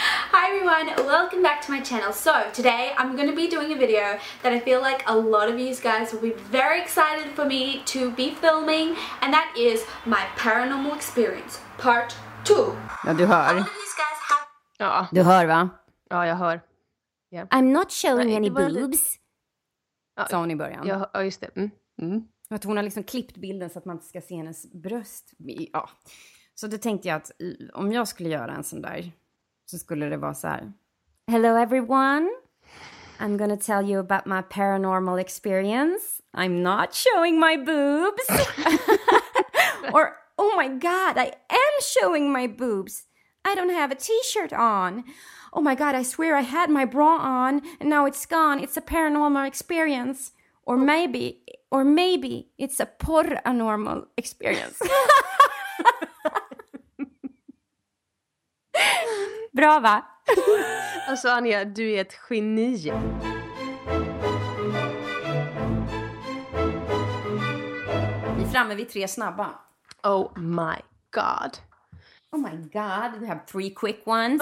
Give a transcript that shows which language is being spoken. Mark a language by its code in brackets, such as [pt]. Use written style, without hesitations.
[en] Hi everyone, welcome back to my channel. So today I'm going to be doing a video that I feel like a lot of you guys will be very excited for me to be filming, and that is my paranormal experience part 2. [sv] Ja, du hör. Ja. Du hör va? Ja, jag hör. [en] Yeah. I'm not showing any boobs. [sv] Sa hon i början. Ja, just det. Mm. Att hon har liksom klippt bilden så att man inte ska se hennes bröst. Ja. Så då tänkte jag att om jag skulle göra en sån där, så skulle det vara så här. [en] Hello everyone. I'm gonna tell you about my paranormal experience. I'm not showing my boobs. Or, oh my god, I am showing my boobs. I don't have a t-shirt on. Oh my god, I swear I had my bra on and now it's gone. It's a paranormal experience. Or maybe it's a paranormal experience. [sv] Bra va? Alltså Anja, du är ett geni. Vi är framme vid tre snabba. [en] Oh my god. Oh my god, we have three quick ones.